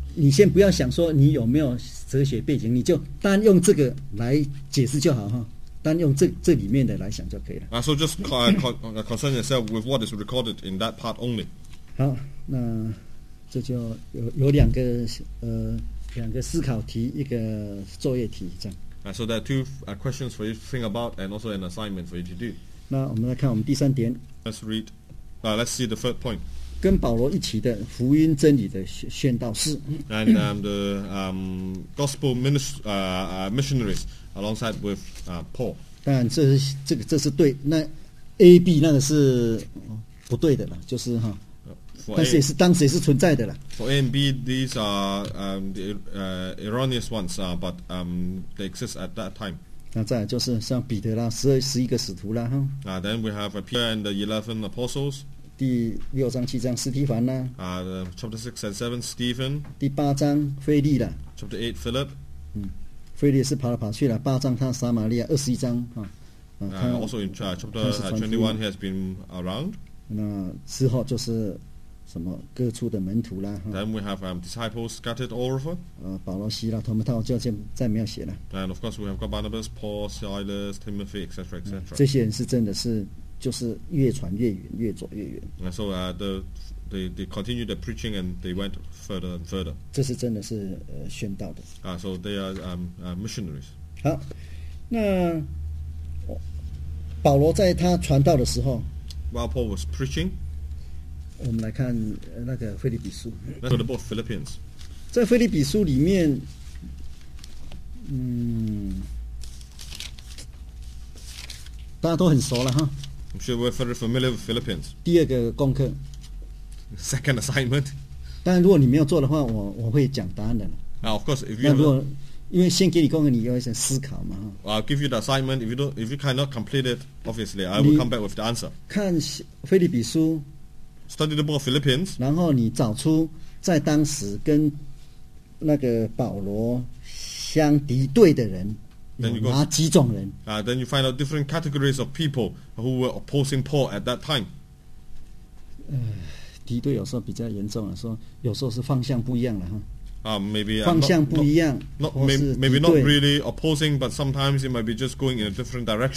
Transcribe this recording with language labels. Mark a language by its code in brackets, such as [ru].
[zh] 你先不要想说你有没有哲学背景，你就单用这个来解释就好哈，单用这里面的来想就可以了。 [en] So just concern yourself with what is recorded in that part only. [zh] 好，那这就有两个思考题，一个作业题这样。So [en] there are two questions for you to think about and also an assignment for you to do. [zh] 那我们来看我们第三点。 [en] Let's see the third point. [zh] 跟保罗一起的福音真理的宣道士 [en] and the gospel minister, missionaries alongside with Paul. [zh] 当然这是这个这是对那 A B 那个是不对的了，就是哈。 A, 但是也是当时也是存在的了。 [en] For A and B, these are the erroneous ones, but they exist at that time. [zh] 那再来就是像彼得啦，十一个使徒啦，哈。 [en] Then we have Peter and the 11 apostles. [zh] 第六章七章斯蒂凡啦。 [en] Chapter 6 and 7 Stephen. [zh] 第八章腓力啦。 [en] Chapter 8 Philip. [zh] 嗯，腓力是跑来跑去了。八章他撒玛利亚，21章啊。 [en] Also in chapter 21 he has been around. [zh] 那之后就是。什么各处的门徒啦 [en] Then we have disciples scattered all over. [zh] 保罗希拉他们就再没有写了 [en] And of course we have got Barnabas, Paul, Silas, Timothy, etc. [zh] 这些人是真的是就是越传越远越走越远 [en] and So they continued the preaching and they went further and further. [zh] 这是真的是宣道的 [en] So they are missionaries. [zh] 好那保罗在他传道的时候 [en] While Paul was preaching, [zh] 我们来看那个腓立比书。 [en] Let's go to the book of Philippians. [zh] 在腓立比书里面，大家都很熟了哈。 [en] I'm sure we're very familiar with Philippians. [zh] 第二个功课。 [en] Second assignment. [zh] 但如果你没有做的话，我会讲答案的。 [en] Of course, if you [zh] 因为先给你功课，你要先思考嘛。 [en] I'll give you the assignment. If you cannot complete it, obviously, I will come back with the answer. [zh] 看腓立比书。 [en] Study the book of Philippians. [zh] 然后你找出在当时跟那个保罗相敌对的人有哪几种人 [en] then you find out different categories of people who were opposing Paul at that time. [zh] 敌对有时候比较严重了，说有时候是方向不一样了哈。 [en] Maybe [zh] 方向不一样。 [en] Maybe not really opposing, but sometimes it might be just going in a different direction.